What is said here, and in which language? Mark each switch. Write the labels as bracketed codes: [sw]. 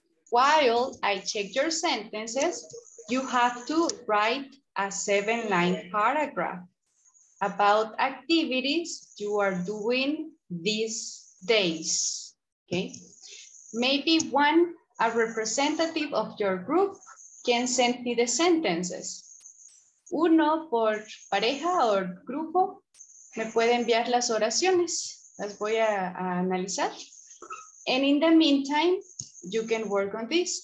[en] While I check your sentences, you have to write a 7-line paragraph about activities you are doing these days. Okay, maybe a representative of your group can send me the sentences. [es] Uno por pareja o grupo me puede enviar las oraciones. Las voy a analizar. [en] And in the meantime, you can work on this.